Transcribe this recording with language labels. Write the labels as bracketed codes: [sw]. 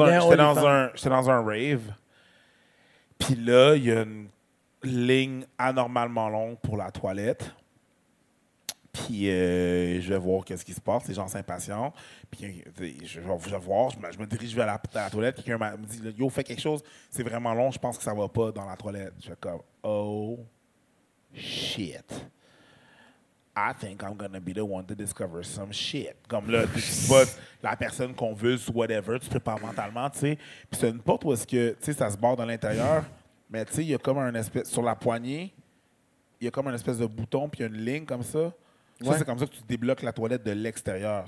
[fr] J'étais dans un rave, puis là, il y a une ligne anormalement longue pour la toilette, puis je vais voir qu'est-ce qui se passe, les gens s'impatientent, puis je vais voir, je me dirige vers la toilette, puis quelqu'un me dit, yo, fais quelque chose, c'est vraiment long, je pense que ça va pas dans la toilette. Je suis comme, oh, shit. [en] I think I'm gonna be the one to discover some shit. [fr] Comme là, tu vois la personne convulse, whatever, tu prépares mentalement, tu sais. Puis c'est une porte où est-ce que, tu sais, ça se barre dans l'intérieur, mais tu sais, il y a comme un espèce, sur la poignée, il y a comme un espèce de bouton, puis il y a une ligne comme ça. Ouais. Ça, c'est comme ça que tu débloques la toilette de l'extérieur.